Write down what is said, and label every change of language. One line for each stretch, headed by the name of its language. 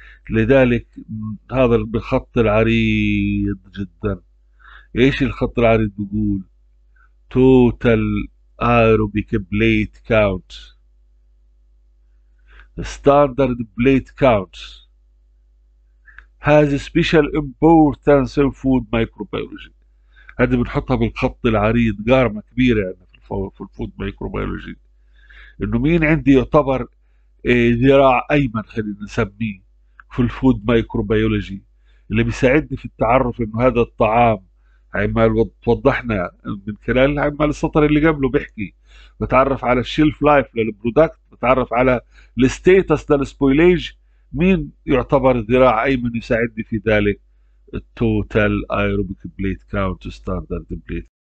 Arabic: لذلك هذا بالخط العريض جدا. ايش الخط العريض بيقول؟
English: total aerobic plate count، standard plate count has special importance in food microbiology.
Arabic: هذه بنحطها بالخط العريض قارمة كبيرة يعني في الفود مايكروبيولوجي، انه مين عندي يعتبر ذراع ايمن خلينا نسميه في الفود مايكروبيولوجي اللي بيساعدني في التعرف انه هذا الطعام. عمال وضحنا من خلال عمال السطر اللي قبله بيحكي بتعرف على الشيلف لايف للبرودكت، بتعرف على الستيتس للسبويليج، مين يعتبر الذراع ايمن يساعدني في ذلك؟ التوتال ايروبيك بليت كاونت ستاندرد بليت.